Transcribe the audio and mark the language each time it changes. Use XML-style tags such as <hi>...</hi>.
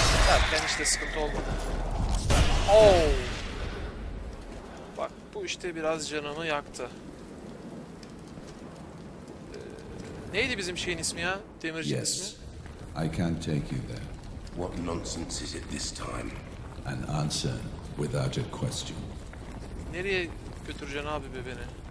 <tr>Evet, ben işte sıkıntı olmadı. Oh! Bak, bu işte biraz canımı yaktı. Neydi bizim şeyin ismi ya? Demirci'nin</tr> <en>yes.</en> <tr>ismi?</tr> <en>I can't take you there. What nonsense is it this time? An answer. Without a question.</en> <tr>Nereye götüreceksin abi be beni?</tr>